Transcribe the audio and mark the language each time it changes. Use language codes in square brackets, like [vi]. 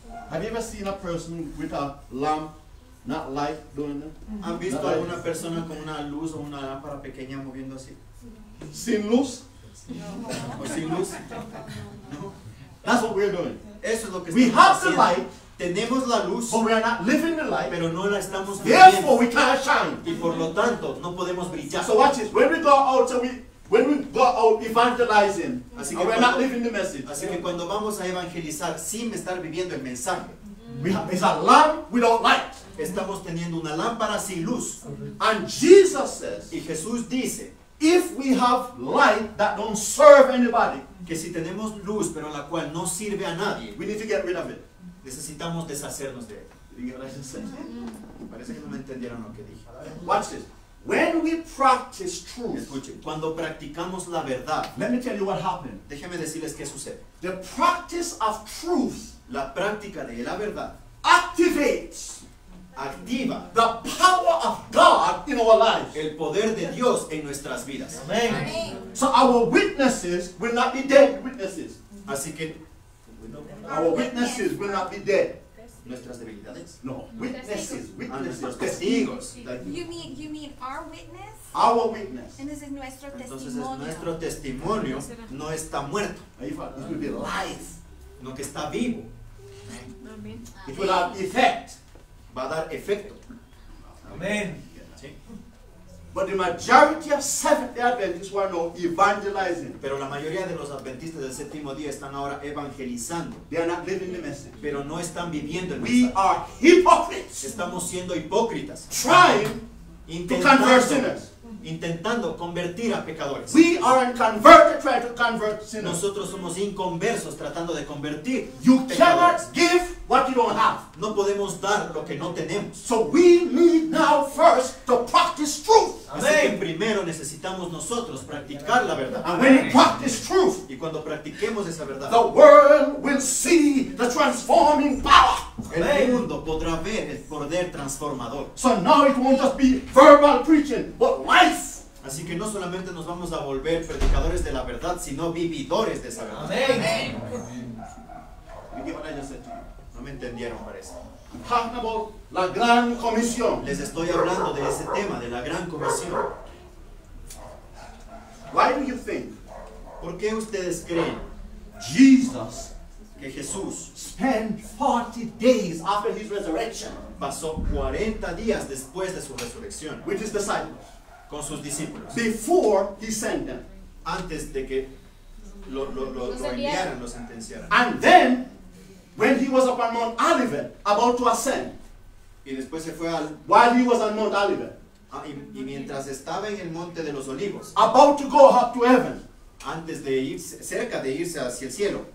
[en] Have you ever seen a person with a lamp, not light, doing that? Mm-hmm. [es] ¿Han visto a alguna persona con una luz o una lámpara pequeña moviendo así? Sin luz. ¿O sin luz? [en] No. That's what we're doing. [es] Eso es lo que [en] we have [es] haciendo. [en] The light. [es] Tenemos la luz. [en] But we are not living the light. [es] Pero no la estamos viviendo. [en] Therefore, we cannot shine. [es] Y por lo tanto, no podemos brillar. [en] So watch this. When we go out, when we go out evangelizing, [es] así que [en] we're not living the message. [es] Así que cuando vamos a evangelizar sin estar viviendo el mensaje, [en] it's a lamp without light. [es] Estamos teniendo una lámpara sin luz. [en] And Jesus says, [es] y Jesús dice, [en] if we have light that don't serve anybody, [es] que si tenemos luz pero la cual no sirve a nadie, [en] we need to get rid of it. [es] Necesitamos deshacernos de él. Parece que no me entendieron lo que dije. [en] Watch this. When we practice truth, [es] escuchen, cuando practicamos la verdad, [en] let me tell you what happened. [es] Déjeme decirles qué sucede. [en] The practice of truth, [es] la práctica de la verdad, [en] activates, [es] activa, [en] the power of God in our lives, [es] el poder de Dios en nuestras vidas. [en] Amen. So our witnesses will not be dead witnesses. [es] Así que [en] Our weaknesses will not be dead. [es] Nuestras debilidades? [en] No. Witnesses. Witnesses. [es] Testigos. [en] You mean our witness? Our witness. And this is [es] nuestro testimonio. Entonces es nuestro testimonio. No está muerto. [en] It will be alive. [es] No que está vivo. [en] It will have effect. [es] Va a dar efecto. Amen. [en] But the majority of Seventh-day Adventists who are now evangelizing. [es] Pero la mayoría de los adventistas del séptimo día están ahora evangelizando. [en] They are not living the message. [es] Pero no están viviendo el [en] we [es] mensaje. [en] We are hypocrites. [es] Estamos siendo hipócritas. [en] Trying to convert sinners. [es] Intentando convertir a pecadores. [en] We are unconverted trying to convert sinners. [es] Nosotros somos inconversos tratando de convertir. [en] You cannot give what you don't have. [es] No podemos dar lo que no tenemos. [en] So we need now first to practice truth. [es] Así que primero necesitamos nosotros practicar la verdad. [en] And when you practice truth, [es] y cuando practiquemos esa verdad, [en] the world will see the transforming power. [es] El mundo podrá ver el poder transformador. [en] So now it won't just be verbal preaching, but life. [es] Así que no solamente nos vamos a volver predicadores de la verdad, sino vividores de esa verdad. Amen. ¿Y qué van a hacer? No me entendieron, parece. [en] Talking about [es] la gran comisión. Les estoy hablando de ese tema, de la gran comisión. [en] Why do you think? [es] ¿Por qué ustedes creen? [en] Jesus. [es] Que Jesús [en] spent 40 days after his resurrection. [es] Pasó 40 días después de su resurrección. [en] With his disciples. [es] Con sus discípulos. [en] Before he sent them. [es] Antes de que lo enviaran, lo sentenciaran. [en] And then, when he was upon Mount Olivet, about to ascend. [es] Y después se fue al. [en] While he was on Mount Olivet. [es] Y mientras estaba en el Monte de los Olivos. [en] About to go up to heaven. [es] Antes de irse, cerca de irse hacia el cielo,